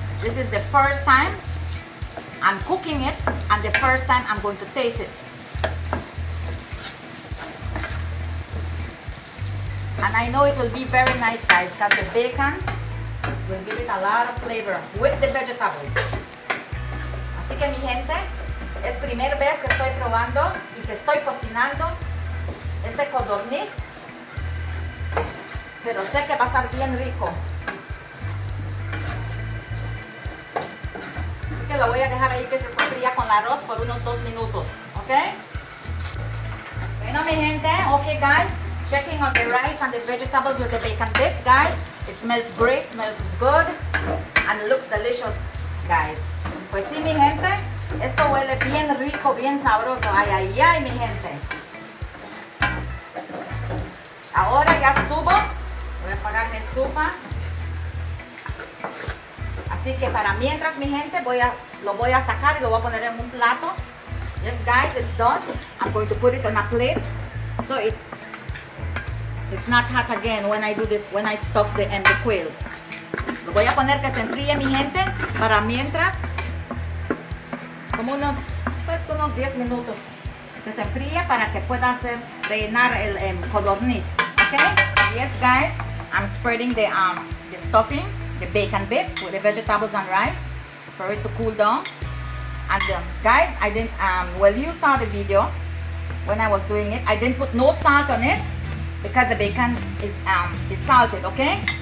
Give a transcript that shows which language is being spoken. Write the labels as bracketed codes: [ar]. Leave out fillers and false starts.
[en] This is the first time I'm cooking it, and the first time I'm going to taste it. And I know it will be very nice, guys, because the bacon will give it a lot of flavor with the vegetables. [es] Así que, mi gente, es primera vez que estoy probando y que estoy cocinando este codorniz. Pero sé que va a estar bien rico. Así que lo voy a dejar ahí que se sofría con el arroz por unos 2 minutos, ¿ok? Bueno, mi gente, ok, guys. [en] Checking on the rice and the vegetables with the bacon bits, guys. It smells great, smells good, and looks delicious, guys. [es] Pues sí, mi gente, esto huele bien rico, bien sabroso. Ay, ay, ay, mi gente. Ahora ya estuvo. Voy a apagar mi estufa. Así que para mientras, mi gente, lo voy a sacar y lo voy a poner en un plato. [en] Yes, guys, it's done. I'm going to put it on a plate. So it's not hot again when I do this, when I stuff the empty quails. [es] Lo voy a poner que se enfríe, mi gente, para mientras, como unos 10 minutos, que se enfríe para que pueda hacer rellenar el codorniz, okay? [en] Yes, guys, I'm spreading the stuffing, the bacon bits with the vegetables and rice for it to cool down. And guys, I didn't, well, you saw the video when I was doing it, I didn't put no salt on it, because the bacon is salted, okay?